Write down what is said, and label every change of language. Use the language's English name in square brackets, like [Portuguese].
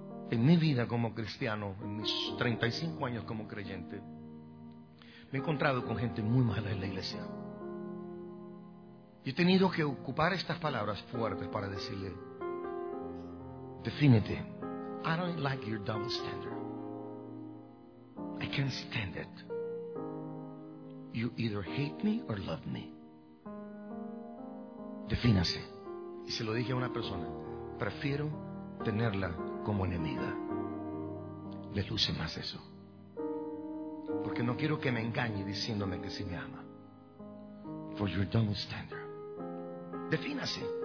[Spanish] En mi vida como cristiano, en mis 35 años como creyente, me he encontrado con gente muy mala en la iglesia. Y he tenido que ocupar estas palabras fuertes para decirle, defínete. [English] I don't like your double standard. I can't stand it. You either hate me or love me. [Spanish] Defínase. Y se lo dije a una persona, prefiero tenerla como enemiga. Le luce más eso. Porque no quiero que me engañe diciéndome que sí me ama. [English] For your double standard. [Spanish] Defínase.